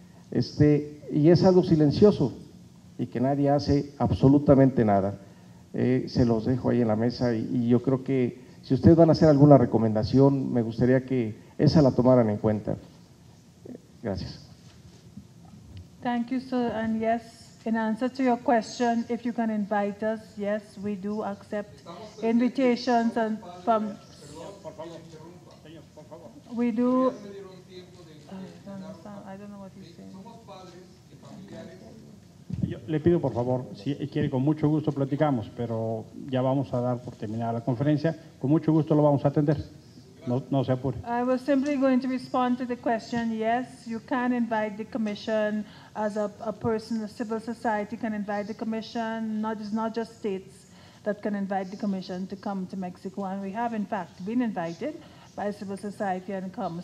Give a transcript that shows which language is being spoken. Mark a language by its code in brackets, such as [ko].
[es] Y es algo silencioso, y que nadie hace absolutamente nada. Se los dejo ahí en la mesa, y yo creo que si ustedes van a hacer alguna recomendación, me gustaría que esa la tomaran en cuenta. Gracias. [en] Thank you, sir. And yes, in answer to your question, if you can invite us, yes, we do accept invitations and from. We do. I don't know what you're saying. [es] Le pido por favor, si quiere, con mucho gusto platicamos, pero ya vamos a dar por terminada la conferencia. Con mucho gusto lo vamos a atender. No, no se apure. [en] I was simply going to respond to the question. Yes, you can invite the commission as a person, a civil society can invite the commission. It's not just states that can invite the commission to come to Mexico. And we have, in fact, been invited by civil society and come.